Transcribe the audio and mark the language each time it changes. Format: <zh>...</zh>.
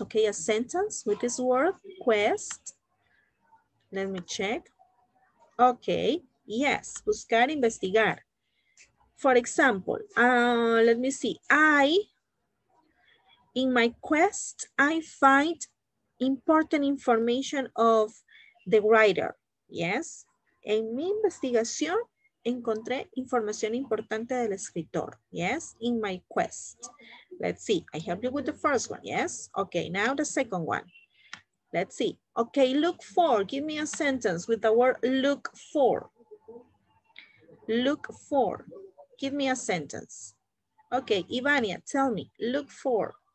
<en>Okay, a sentence with this word, quest. Let me check. Okay, yes,</en> <es>buscar, investigar.</es> <en>For example, let me see. In my quest, I find important information of the writer.</en> <es>Yes, en mi investigación encontré información importante del escritor.</es> <en>Yes, in my quest. Let's see, I help you with the first one. Yes, okay, now the second one. Let's see. Okay, look for, give me a sentence with the word look for. Look for, give me a sentence. Okay, Ivania, tell me, look for.</en>